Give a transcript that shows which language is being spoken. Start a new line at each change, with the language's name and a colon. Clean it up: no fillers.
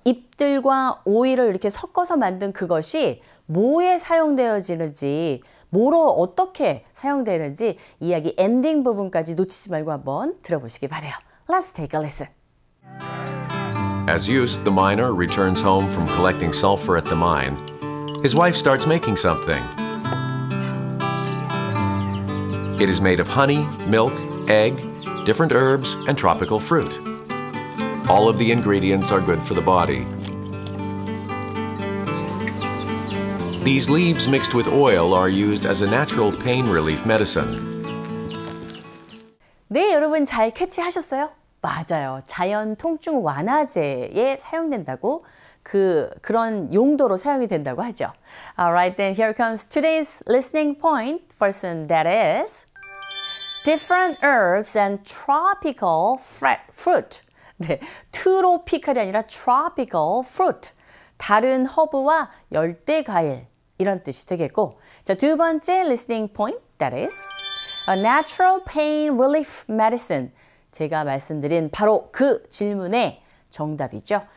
Korean: 잎들과 오이를 이렇게 섞어서 만든 그것이 뭐에 사용되어지는지, 뭐로 어떻게 사용되는지 이야기 엔딩 부분까지 놓치지 말고 한번 들어보시기 바래요.
English: Let's take a listen. As Yus, the miner, returns home from collecting sulfur at the mine, his wife starts making something. It is made of honey, milk, egg, different herbs, and tropical fruit. All of the ingredients are good for the body. These leaves mixed with oil are used as a natural pain relief medicine.
Korean: 네, 여러분 잘 캐치하셨어요? 맞아요. 자연 통증 완화제에 사용된다고 그런 용도로 사용이 된다고 하죠.
English: Alright, then here comes today's listening point. First one, that is different herbs and tropical fruit.
Korean: 네, tropical이 아니라 tropical fruit. 다른 허브와 열대 과일 이런 뜻이 되겠고. 자, 두 번째
English: listening point, that is a natural pain relief medicine.
Korean: 제가 말씀드린 바로 그 질문의 정답이죠.